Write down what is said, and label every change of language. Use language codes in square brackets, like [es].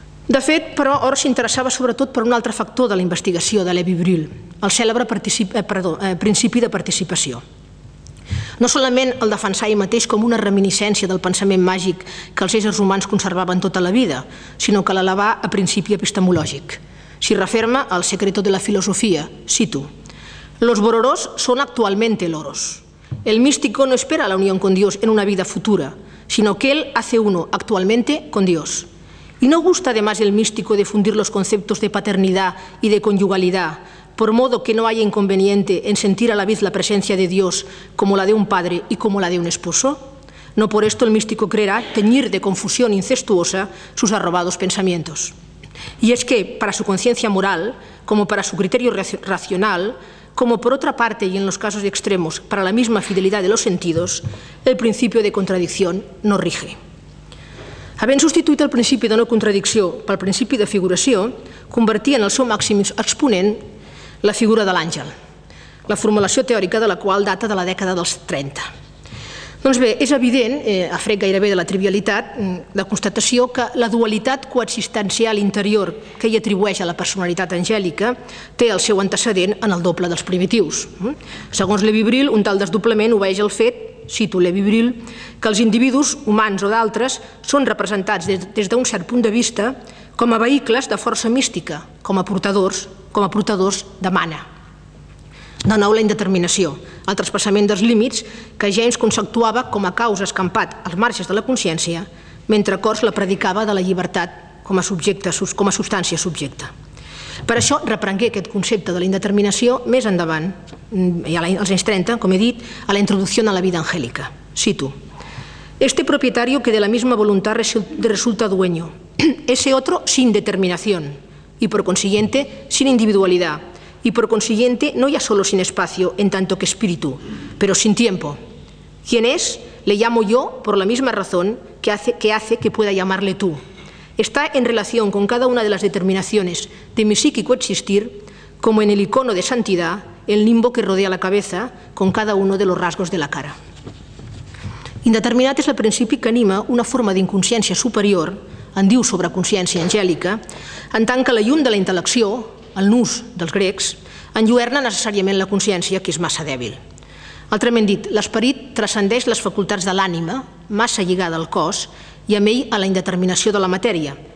[ca] De fet, però, Ors s'interessava sobretot per un altre factor de la investigació de Lévy-Bruhl, el cèlebre principi de participació. No solament el defensar ell mateix com una reminiscència del pensament màgic que els éssers humans conservaven tota la vida, sinó que l'elevà a principi epistemològic. S'hi referma el secreto de la filosofia, cito: [es] «Los bororos son actualmente loros. El místico no espera la unión con Dios en una vida futura, sino que él hace uno actualmente con Dios. Y no gusta además el místico difundir los conceptos de paternidad y de conyugalidad, por modo que no haya inconveniente en sentir a la vez la presencia de Dios como la de un padre y como la de un esposo. No por esto el místico creerá teñir de confusión incestuosa sus arrobados pensamientos». Y es que, para su conciencia moral, como para su criterio racional, como por otra parte y en los casos extremos, para la misma fidelidad de los sentidos, el principio de contradicción no rige. [ca] Havent substituït el principi de no contradicció pel principi de figuració, convertia en el seu màxim exponent la figura de l'àngel, la formulació teòrica de la qual data de la dècada dels 30. Doncs bé, és evident, a fred gairebé de la trivialitat, la constatació que la dualitat coexistencial interior que hi atribueix a la personalitat angèlica té el seu antecedent en el doble dels primitius. Segons Lévy-Bruhl, un tal desdoblament obeeix el fet, cito Lévy-Bruhl, que els individus, humans o d'altres, són representats des d'un cert punt de vista com a vehicles de força mística, com a portadors de mana. De nou, la indeterminació, el traspassament dels límits que James conceptuava com a caos escampat als marges de la consciència, mentre Cors la predicava de la llibertat com a substància subjecte. Per això reprengué aquest concepte de la indeterminació més endavant, als anys 30, com he dit, a la introducció a la vida angélica. [es] Cito: «Este propietario que de la misma voluntad resulta dueño, ese otro sin determinación y por consiguiente sin individualidad, y por consiguiente no ya solo sin espacio en tanto que espíritu, pero sin tiempo. ¿Quién es? Le llamo yo por la misma razón que hace que pueda llamarle tú. Está en relación con cada una de las determinaciones de mi psíquico existir, como en el icono de santidad, el limbo que rodea la cabeza, con cada uno de los rasgos de la cara». [ca] Indeterminat és el principi que anima una forma d'inconsciència superior, en diu sobreconsciència angèlica, en tant que la llum de la intel·lecció, el nus dels grecs, enlluerna necessàriament la consciència, que és massa dèbil. Altrament dit, l'esperit transcendeix les facultats de l'ànima, massa lligada al cos, i amb ell a la indeterminació de la matèria.